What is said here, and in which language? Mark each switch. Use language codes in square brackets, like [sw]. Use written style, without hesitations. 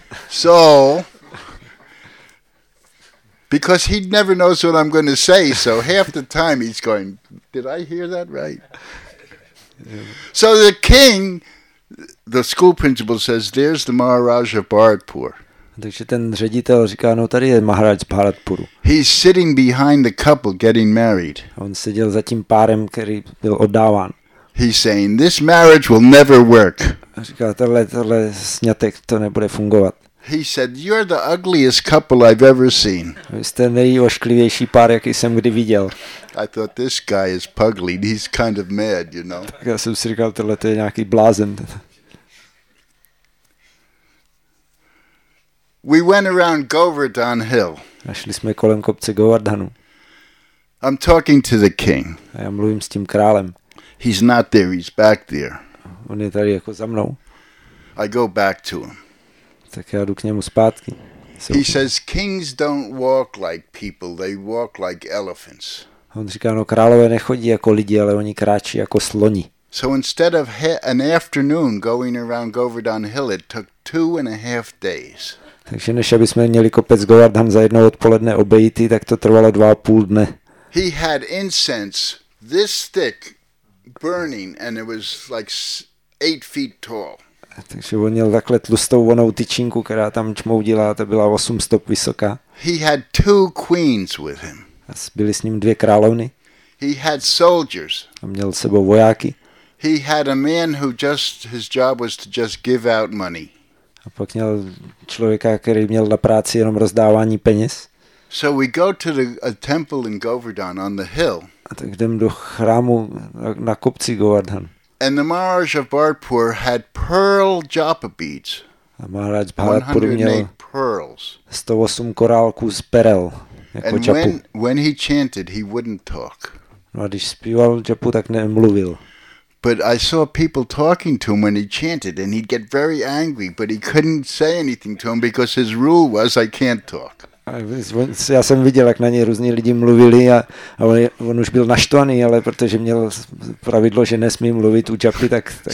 [en] So because he never knows what I'm going to say, so half the time he's going, did I hear that right? So the king, the school principal says, there's the Maharaj of Bharatpur. [cs] Takže ten ředitel říká, no tady je Maharaj z Bharatpuru. [en] He's sitting behind the couple getting married. [cs] On seděl za tím párem, který byl oddáván. [en] He's saying, this marriage will never work. [cs] A říká, tohle sňatek to nebude fungovat. [en] He said, you're the ugliest couple I've ever seen. [cs] Vy jste nejošklivější pár, jaký jsem kdy viděl. [en] I thought, this guy is pugly, he's kind of mad, you know. [cs] Tak já jsem si říkal, tohle to je nějaký blázen. [en] We went around Govardhan Hill. [cs] A šli jsme kolem kopce Govardhanu. [en] I'm talking to the king. [cs] A já mluvím s tím králem. [en] He's not there, he's back there. [cs] On je tady jako za mnou. [en] I go back to him. [cs] Tak já jdu k němu zpátky. [en] He says, kings don't walk like people, they walk like elephants. [cs] On říká, no králové nechodí jako lidi, ale oni kráčí jako sloni. [en] So instead of an afternoon going around Govardhan Hill, it took 2.5 days. [cs] Takže než abychom měli kopec Govardhan za jedno odpoledne obejít, tak to trvalo 2.5 dne. [en] He had incense this thick burning and it was like 8 feet tall. [cs] Takže on měl takhle tlustou vonou tyčinku, která tam čmoudila, a to byla 8 stop vysoká. [en] He had 2 queens with him. [cs] A byly s ním 2 královny. [en] He had soldiers. [cs] A měl s sebou vojáky. [en] He had a man who just his job was to just give out money. [cs] A pak měl člověka, který měl na práci jenom rozdávání peněz. [en] So we go to a temple in Govardhan on the hill. [cs] A tak jdem do chrámu na kopci Govardhan. [en] And the Maharaj of Bharatpur had pearl japa beads. [cs] A Maharaj Bharatpur měl 108 korálků z perel jako [en] japu. And when he chanted, he wouldn't talk. [cs] No a když zpíval japu, tak nemluvil. [en] But I saw people talking to him when he chanted and he'd get very angry, but he couldn't say anything to him because his rule was I can't talk. [cs] Já jsem viděl, jak na něj různí lidi mluvili a on už byl naštvaný, ale protože měl pravidlo, že nesmí mluvit u japy, tak